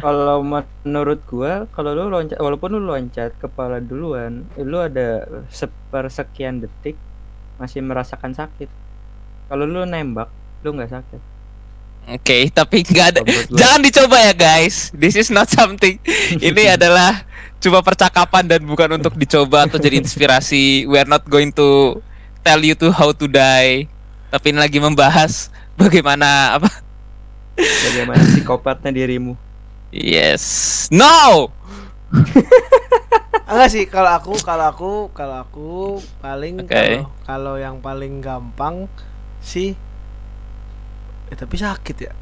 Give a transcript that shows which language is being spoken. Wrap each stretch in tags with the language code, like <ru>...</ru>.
<id>Kalau menurut gue, kalau lu loncat, walaupun lu loncat kepala duluan, lu ada sepersekian detik masih merasakan sakit. Kalau lu nembak, lu nggak sakit. Oke, tapi nggak ada. Jangan dicoba ya guys.</id> <en>This is not something.</en> <id>Ini adalah cuma percakapan dan bukan untuk dicoba atau jadi inspirasi.</id> <en>We are not going to tell you to how to die.</en> <id>Tapi ini lagi membahas bagaimana apa? Bagaimana psikopatnya dirimu?</id> <en>Yes, no.</en> <id>Enggak sih, kalau aku paling okay. kalau yang paling gampang sih. Tapi sakit ya.</id>